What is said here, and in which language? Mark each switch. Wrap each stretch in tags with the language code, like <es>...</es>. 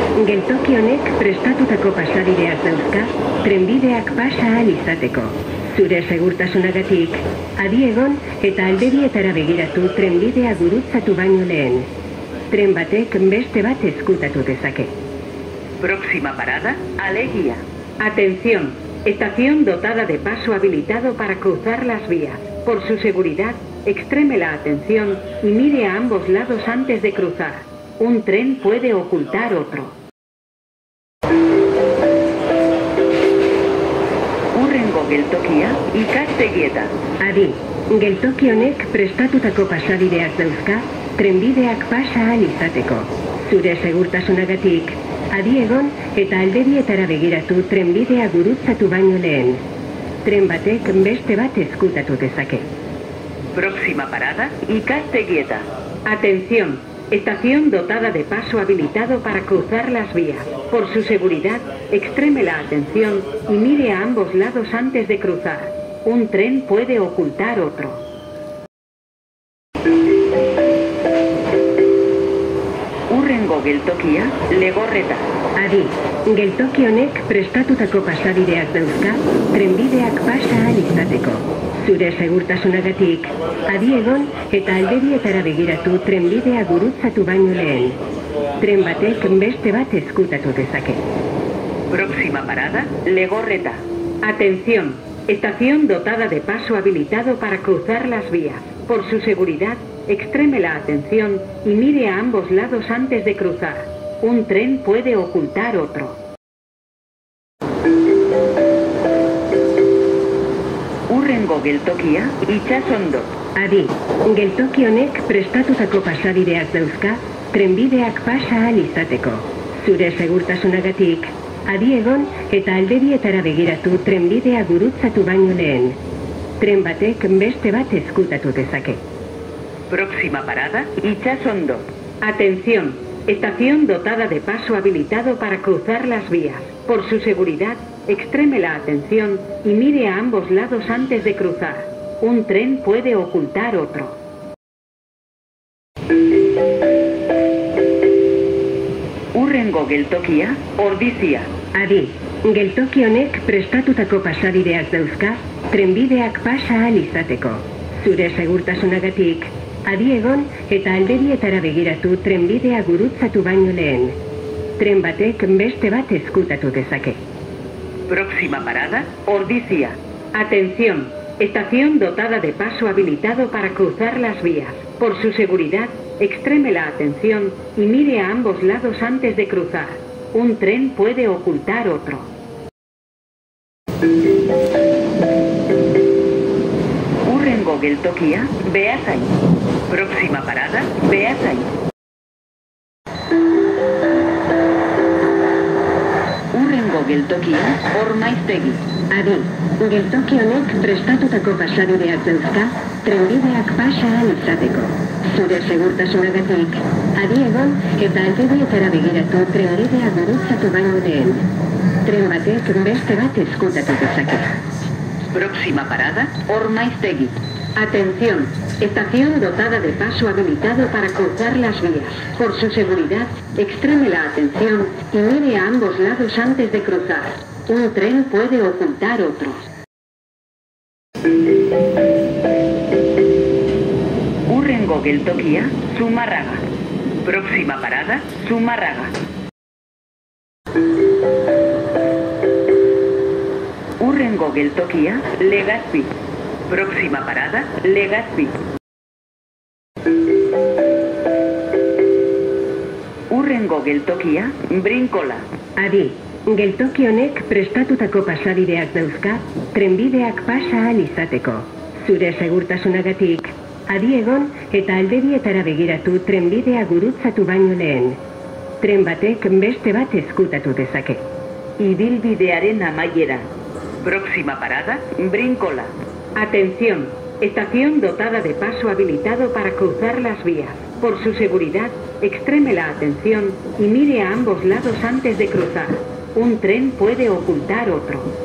<eu>Geltoki honek prestatutako pasabideak dauzka, trenbideak pasa ahal izateko. Zure segurtasunagatik, adi egon eta aldebietara begiratu trenbidea gurutzatu baino lehen. Tren batek beste bat ezkutatu dezake.</eu> <es>Próxima parada, Alegia. Atención, estación dotada de paso habilitado para cruzar las vías. Por su seguridad, extreme la atención y mire a ambos lados antes de cruzar. Un tren puede ocultar otro.</es> <eu>Geltokia, ikastegieta. Adi, geltoki honek prestatutako pasabideak dauzka, trenbideak pasa ahal izateko. Zure segurtasunagatik, adi egon eta aldebietara begiratu trenbidea gurutzatu baino lehen. Tren batek beste bat ezkutatu dezake.</eu> <es>Próxima parada, ikastegieta. Atención, estación dotada de paso habilitado para cruzar las vías. Por su seguridad, extreme la atención y mire a ambos lados antes de cruzar. Un tren puede ocultar otro.</es> <eu>Urrengo geltokia, Legorreta. Adi, geltoki honek prestatutako pasabideak dauzka, trenbideak pasa ahal izateko. Zure segurtasunagatik, adi egon eta aldebietara begiratu trenbidea gurutzatu baino lehen. Tren batek beste bat ezkutatu dezake.</eu> <es>Próxima parada, Legorreta. Atención, estación dotada de paso habilitado para cruzar las vías. Por su seguridad, extreme la atención y mire a ambos lados antes de cruzar. Un tren puede ocultar otro.</es> <eu>Urrengo geltokia, Itxasondo. Adi, geltoki honek prestatutako pasabideak dauzka, trenbideak pasa ahal izateko. Zure segurtasunagatik, adi egon eta aldebietara begiratu trenbidea gurutzatu baino lehen. Tren batek beste bat ezkutatu dezake.</eu> <es>Próxima parada, Itxasondo. Atención, estación dotada de paso habilitado para cruzar las vías. Por su seguridad, extreme la atención y mire a ambos lados antes de cruzar. Un tren puede ocultar otro.</es> <eu>Urrengo geltokia, Ordizia. Adi, geltoki honek prestatutako pasabideak dauzka, trenbideak pasa ahal izateko. zure segurtasunagatik. Adi egon, eta alderietara begiratu trenbidea gurutzatu baino lehen. Tren batek beste bat ezkutatu dezake.</eu> <es>Próxima parada, Ordizia. Atención, estación dotada de paso habilitado para cruzar las vías. Por su seguridad, extreme la atención y mire a ambos lados antes de cruzar. Un tren puede ocultar otro.</es> <eu>Urrengo geltokia, Beasain.</eu> <es>Próxima parada, Beasain.</es> <eu>Geltokia, Ormaiztegi. Adi, geltoki honek prestatutako pasabideak dauzka, trenbideak pasa ahal izateko. Zure segurtasunagatik, adi egon, eta aldebietara begiratu trenbidea gurutzatu baino lehen. Tren batek beste bat ezkutatu dezake.</eu> <es>Próxima parada, Ormaiztegi. Atención, estación dotada de paso habilitado para cruzar las vías. Por su seguridad, extreme la atención y mire a ambos lados antes de cruzar. Un tren puede ocultar otro.</es> <eu>Urrengo geltokia, Zumarraga.</eu> <es>Próxima parada, Zumarraga.</es> <eu>Urrengo geltokia, Legazpi.</eu> <es>Próxima parada, Legazpi.</es> <eu>Urrengo geltokia, Brinkola. Adi, geltoki honek prestatutako pasabideak dauzka, trenbideak pasa ahal izateko. Zure segurtasunagatik, adi egon eta aldebietara begiratu trenbidea gurutzatu baino lehen. Tren batek beste bat ezkutatu dezake. Ibilbidearen amaiera.</eu> <es>Próxima parada, Brinkola. Atención, estación dotada de paso habilitado para cruzar las vías. Por su seguridad, extreme la atención y mire a ambos lados antes de cruzar. Un tren puede ocultar otro.</es>